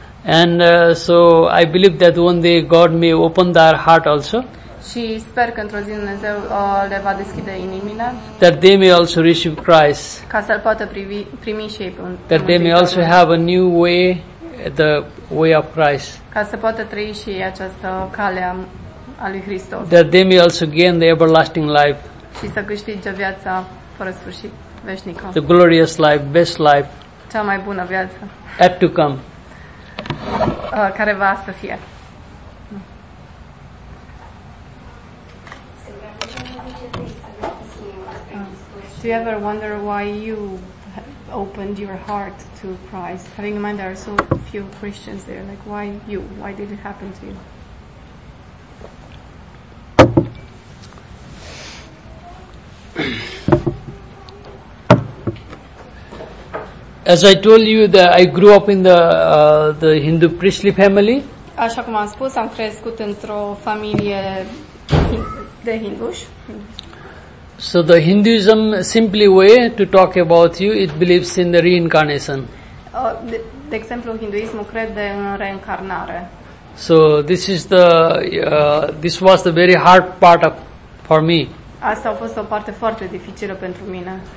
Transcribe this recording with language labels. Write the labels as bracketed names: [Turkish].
[English] And so I believe that one day God may open their heart also. [Romanian] Și sper că într-o zi Dumnezeu le va deschide inimile. [English] That they may also receive Christ. [Romanian] Ca să-l poată primi și ei. [English] That they may also have a new way, the way of Christ. [Romanian] Ca să poată trăi și ei această cale a lui Hristos. [English] That they may also gain the everlasting life. [Romanian] Și să câștige viața fără sfârșit, veșnică. [English] The glorious life, best life. [Romanian] Cea mai bună viață. [English] Yet to come. [Romanian] Care va să fie. [English] Do you ever wonder why you opened your heart to Christ? Having in mind there are so few Christians there, like why you? Why did it happen to you? As I told you, that I grew up in the Hindu priestly family. [Romanian] Așa cum am spus, am crescut într-o familie de hinduși. [English] So the Hinduism simply way to talk about you, it believes in the reincarnation. [Romanian] De exemplu, hinduismul crede în reîncarnare. [English] So this is the this was the very hard part of for me. [Romanian] Asta a fost o parte foarte dificilă pentru mine.